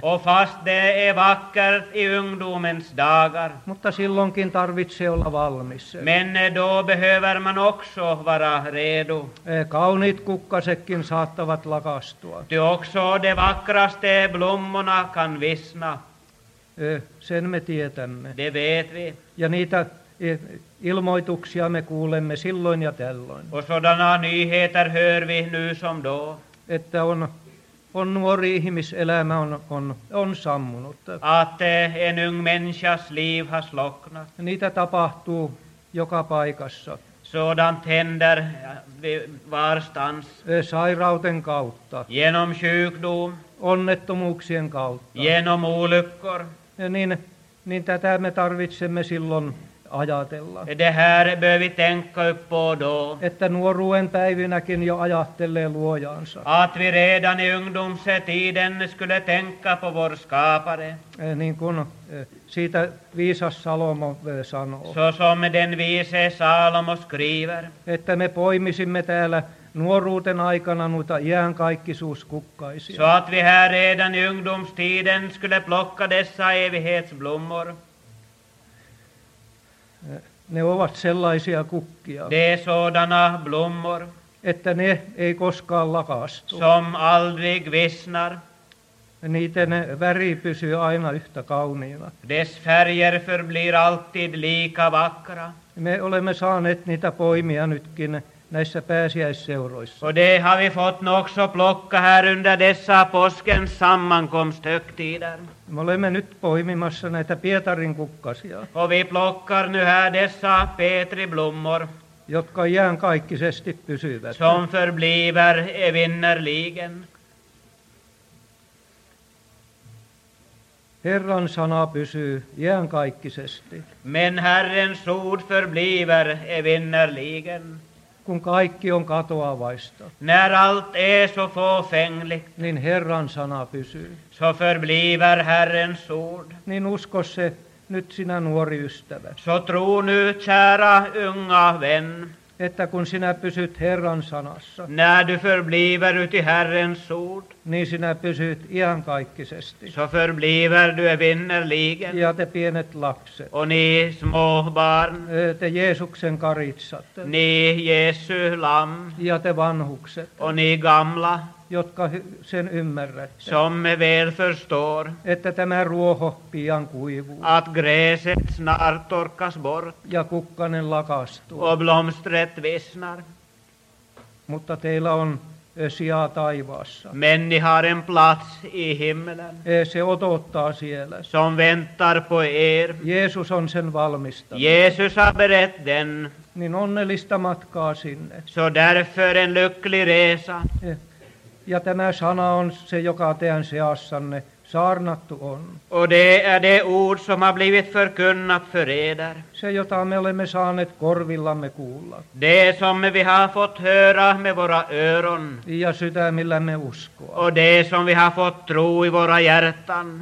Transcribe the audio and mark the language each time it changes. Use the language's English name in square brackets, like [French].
[Swedish] Och fast det är vackert i ungdomens dagar. [Finnish] Mutta silloinkin tarvitsee olla valmis. [Swedish] Men då behöver man också vara redo. [Finnish] Kauniit kukkasetkin saattavat lakastua. [Swedish] Ty också de vackraste blommorna kan vissna. [Finnish] Sen me tietämme. [Swedish] Det vet vi. [Finnish] Ja niitä ilmoituksia me kuulemme silloin ja tällöin. [Swedish] Och sådana nyheter hör vi nu som då. [Finnish] Että on nuori ihmiselämä on sammunut. [Swedish] Att en ung människas liv har slocknat. [Finnish] Niitä tapahtuu joka paikassa. [Swedish] Sådant händer varstans. [Finnish] Sairauten kautta. [Swedish] Genom sjukdom. [Finnish] Onnettomuuksien kautta. [Swedish] Genom olyckor. [Finnish] Niin tätä me tarvitsemme silloin ajatella. [Swedish] Det här bör vi tänka på då. [Finnish] Että nuoruuden päivinäkin jo ajattelee luojaansa. [Swedish] Att vi redan i ungdomstiden skulle tänka på vår skapare. [Finnish] Niin kuin siitä viisas Salomo sanoo. [Swedish] Så som den vise Salomo skriver. [Finnish] Että me poimisimme täällä nuoruuden aikana noita iänkaikkisuuskukkaisia. [Swedish] Så att vi här redan i ungdomstiden skulle plocka dessa evighetsblommor. [Finnish] Ne ovat sellaisia kukkia. [Swedish] De sådana blommor. [Finnish] Että ne ei koskaan lakastu. [Swedish] Som aldrig vissnar. [Finnish] Niiden väri pysyy aina yhtä kauniina. [Swedish] Dess färger förblir alltid lika vackra. [Finnish] Me olemme saaneet niitä poimia nytkin näissä pääsiäisseuroissa. [Swedish] Och det har vi fått också plocka här under dessa påskens sammankomst högtider. [Finnish] Me olemme nyt poimimassa näitä Pietarin kukkasia. [Swedish] Och vi plockar nu här dessa Petri blommor. [Finnish] Jotka iänkaikkisesti pysyvät. [Swedish] Som förbliver evinnerligen. [Finnish] Herran sana pysyy iänkaikkisesti. [Swedish] Men Herrens ord förbliver evinnerligen. [Finnish] Kun kaikki on katoavaista. [Swedish] När allt är så fåfängligt. [Finnish] Niin Herran sana pysyy. [Swedish] Så förbliver Herrens ord. [Finnish] Niin usko se nyt sinä nuori ystävä. [Swedish] Så tro nu kära unga vän. [Finnish] Että kun sinä pysyt Herran sanassa. [Swedish] När du förbliver uti Herrens ord. [Finnish] Niin sinä pysyt iankaikkisesti. [Swedish] Så förbliver du evinnerligen. [Finnish] Ja te pienet lapset. [Swedish] Och ni små barn. [Finnish] Te Jeesuksen karitsat. [Swedish] Ni Jeesu lam. [Finnish] Ja te vanhukset. [Swedish] Och ni gamla. [Finnish] Jotka sen ymmärrätte. [Swedish] Som väl förstår. [Finnish] Että tämä ruoho pian kuivuu. [Swedish] Att gräset snart torkas bort. [Finnish] Ja kukkanen lakastuu. [Swedish] Och blomstret vissnar. [Finnish] Mutta teillä on sijaa taivaassa. [Swedish] Men ni har en plats i himmelen. [Finnish] Se odottaa siellä. [Swedish] Som väntar på er. [Finnish] Jeesus on sen valmistanut. [Swedish] Jeesus har berett den. [Finnish] Niin onnellista matkaa sinne. [Swedish] Så därför en lycklig resa. [Finnish] Ja tämä sana on se, joka teidän seassanne saarnattu on. [Swedish] Och det är det ord som har blivit förkunnat för er. [Finnish] Se, jota me olemme saaneet korvillamme kuulla. [Swedish] Det som vi har fått höra med våra öron. [Finnish] Ja sydämillämme uskoa. [Swedish] Och det som vi har fått tro i våra hjärtan.